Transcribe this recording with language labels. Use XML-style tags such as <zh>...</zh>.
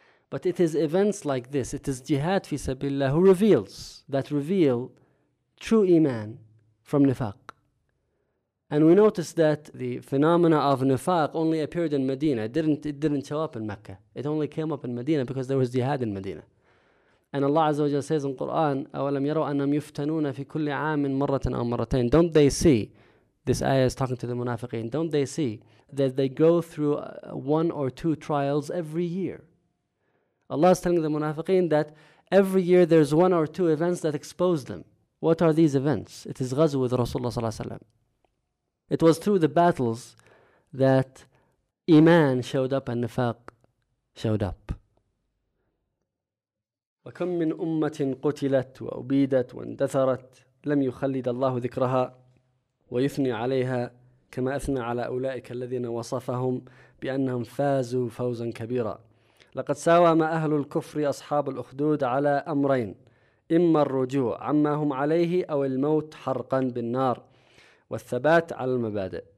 <en>But it is events like this, it is jihad fi sabillah who reveals, that reveal true iman from nifaq. And we notice that the phenomena of nifaq only appeared in Medina. It didn't show up in Mecca. It only came up in Medina because there was jihad in Medina. And Allah Azza wa Jalla says in Quran,</en> <ar>أَوَلَمْ يَرَوْا أَنَّمْ يُفْتَنُونَ فِي كُلِّ عَامٍ مَرَّةً أَوْ مَرَّتَيْنِ.</ar> <en>Don't they see, this ayah is talking to the munafiqeen, don't they see that they go through one or two trials every year? Allah is telling the munafiqeen that every year there's one or two events that expose them. What are these events? It is ghazw with Rasulullah sallallahu alaihi wasallam. It was through the battles that iman showed up and nifaq showed up.</en> <ar>وَكَمْ مِنْ أُمَّةٍ قُتِلَتْ وَأُبِيدَتْ وَانْدَثَرَتْ لَمْ يُخَلِّدَ اللَّهُ ذِكْرَهَا ويثني عليها كما أثنى على أولئك الذين وصفهم بأنهم فازوا فوزا كبيرا. لقد ساوم أهل الكفر أصحاب الأخدود على أمرين: إما الرجوع عما هم عليه أو الموت حرقا بالنار، والثبات على المبادئ.</ar>